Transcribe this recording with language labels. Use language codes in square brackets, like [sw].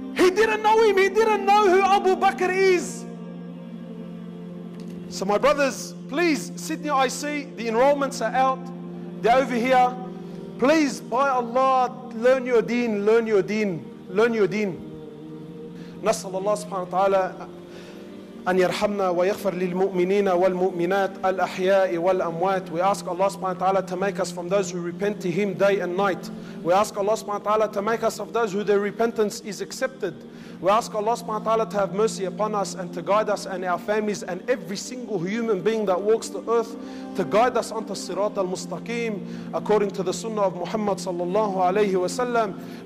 [en] didn't know him. He didn't know who Abu Bakr is. So my brothers, please, Sydney IC, the enrollments are out. They're over here. Please, by Allah, learn your deen, learn your deen, learn your deen. [ar] نسأل الله سبحانه وتعالى أن يرحمنا ويغفر للمؤمنين والمؤمنات الأحياء والأموات. [en] We ask Allah [ar] سبحانه وتعالى [en] to make us from those who repent to Him day and night. We ask Allah [ar] سبحانه وتعالى [en] to make us of those who their repentance is accepted. We ask Allah [ar] سبحانه وتعالى [en] to have mercy upon us and to guide us and our families and every single human being that walks the earth, to guide us onto [ar] الصراط المستقيم [en] according to the sunnah of Muhammad [ar] صلى الله عليه وسلم.